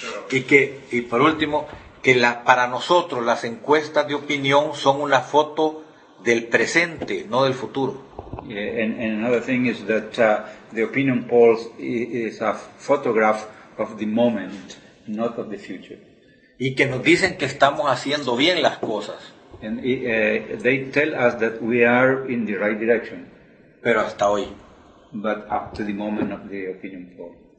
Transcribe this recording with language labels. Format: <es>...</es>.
<es>Y por último, que para nosotros las encuestas de opinión son una foto del presente, no del futuro.</es> <en>Yeah, and another thing is that the opinion polls is a photograph of the moment, not of the future.</en> <es>Y que nos dicen que estamos haciendo bien las cosas.</es> <en>And they tell us that we are in the right direction.</en> <es>Pero hasta hoy.</es> <en>But up to the moment of the opinion poll.</en>